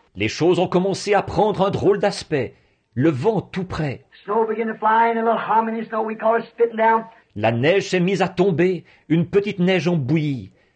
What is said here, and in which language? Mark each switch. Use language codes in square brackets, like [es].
[fr] Les choses ont commencé à prendre un drôle d'aspect, le vent tout près. [en] Snow began to fly in a little hominy snow we call it spitting down. [fr] La neige s'est mise à tomber, une petite neige en bouillie.